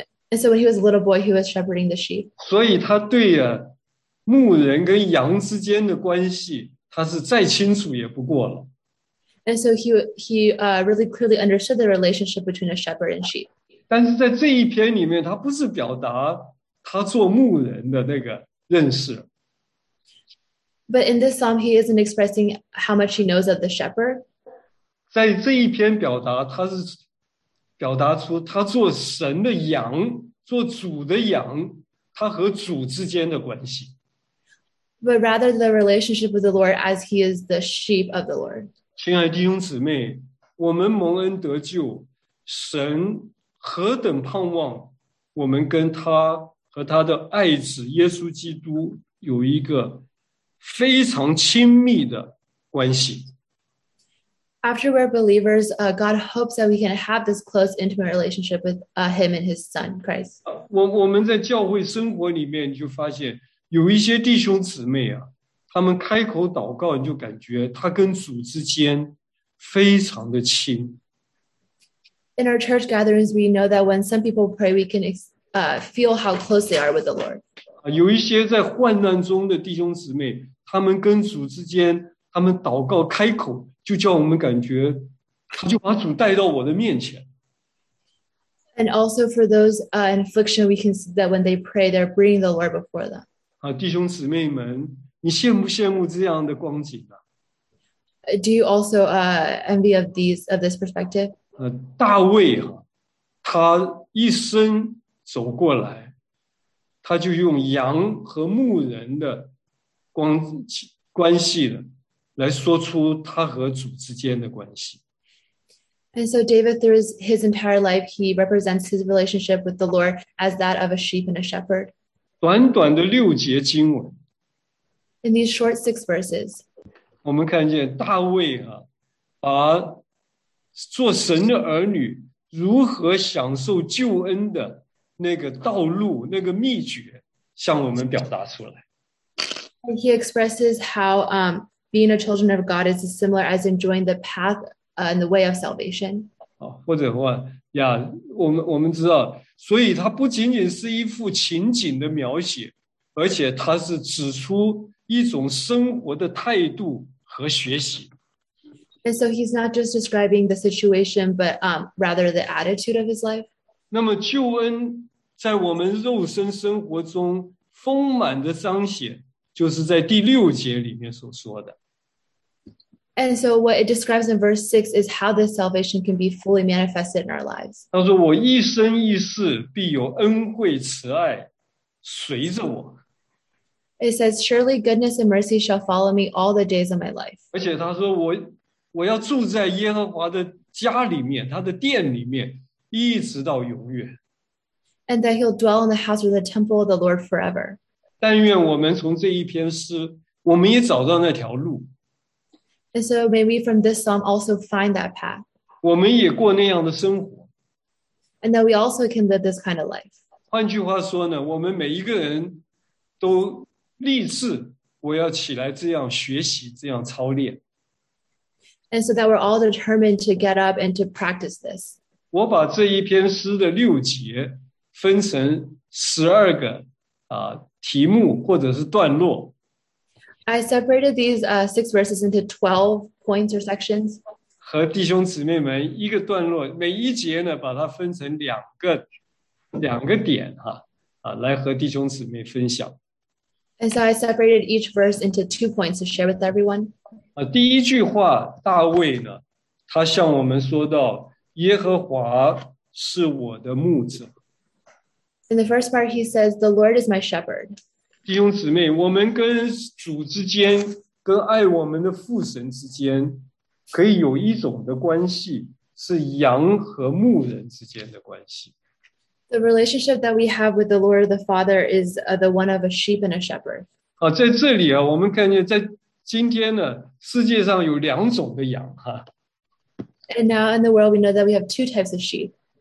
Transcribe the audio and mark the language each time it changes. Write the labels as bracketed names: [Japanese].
[English] And so when he was a little boy, he was shepherding the sheep. [Chinese] 所以他对呀、啊。牧人跟羊之间的关系，他是再清楚也不过了。 [English] And so he really clearly understood the relationship between a shepherd and sheep. [Chinese] 但是在这一篇里面，他不是表达他做牧人的那个认识。 [English] But in this psalm, he isn't expressing how much he knows of the shepherd. [Chinese] 在这一篇表达，他是表达出他做神的羊，做主的羊，他和主之间的关系。 [English] But rather the relationship with the Lord as he is the sheep of the Lord. [Chinese] 亲爱的弟兄姊妹，我们蒙恩得救，神何等盼望我们跟他和他的爱子耶稣基督有一个非常亲密的关系。 [English] After we're believers, God hopes that we can have this close, intimate relationship with him and his son, Christ. [Chinese] 我们在教会生活里面就发现有一些弟兄姊妹啊，他们开口祷告，你就感觉他跟主之间非常的亲。 [English] In our church gatherings, we know that when some people pray, we can feel how close they are with the Lord. [Chinese] 有一些在患难中的弟兄姊妹，他们跟主之间，他们祷告开口，就叫我们感觉，他就把主带到我的面前。 [English] And also for those in affliction, we can see that when they pray, they're bringing the Lord before them. [Chinese] 弟兄姊妹们，你羡慕羡慕这样的光景啊？ [English] Do you also envy of these of this perspective? [Chinese] 大卫啊，他一生走过来，他就用羊和牧人的关系的来说出他和主之间的关系。 [English] And so David, through his entire life, he represents his relationship with the Lord as that of a sheep and a shepherd. [Chinese] 短短的六节经文 [English] ，In these short six verses， [Chinese] 我们看见大卫啊，把做神的儿女如何享受救恩的那个道路、那个秘诀，向我们表达出来。 [English] He expresses how being a children of God is similar as enjoying the path and the way of salvation. [Chinese] 或者话呀，我们知道。所以它不仅仅是一幅情景的描写，而且它是指出一种生活的态度和学习。 [English] And so he's not just describing the situation, but rather the attitude of his life. [Chinese] 那么救恩在我们肉身生活中丰满的彰显，就是在第六节里面所说的。 [English] And so what it describes in verse 6 is how this salvation can be fully manifested in our lives. [Chinese] 他说我一生一世必有恩惠慈爱随着我。 [English] It says, surely goodness and mercy shall follow me all the days of my life. [Chinese] 而且他说我要住在耶和华的家里面，他的殿里面，一直到永远。 [English] And that he'll dwell in the house or the temple of the Lord forever. [Chinese] 但愿我们从这一篇诗，我们也找到那条路。 [English] And so may we from this psalm also find that path. [Chinese] 我们也过那样的生活。 [English] And that we also can live this kind of life. [Chinese] 换句话说呢，我们每一个人都立志，我要起来这样学习，这样操练。 [English] And so that we're all determined to get up and to practice this. [Chinese] 我把这一篇诗的六节分成12个题目或者是段落。 [English] I separated these six verses into 12 points or sections. [Chinese] 和弟兄姊妹们一个段落，每一节呢，把它分成两个点哈，来和弟兄姊妹分享。 [English] And so I separated each verse into 2 points to share with everyone. [Chinese] 第一句话，大卫呢，他向我们说到，耶和华是我的牧者。 [English] In the first part, he says, "The Lord is my shepherd." [Chinese] 弟兄姊妹，我们跟主之间，跟爱我们的父神之间，可以有一种的关系，是羊和牧人之间的关系。 [English] The relationship that we have with the Lord the Father is the one of a sheep and a shepherd. [Chinese] 在这里啊，我们看见在今天呢，世界上有两种的羊哈。 [English] And now in the world, we know that we have two types of sheep.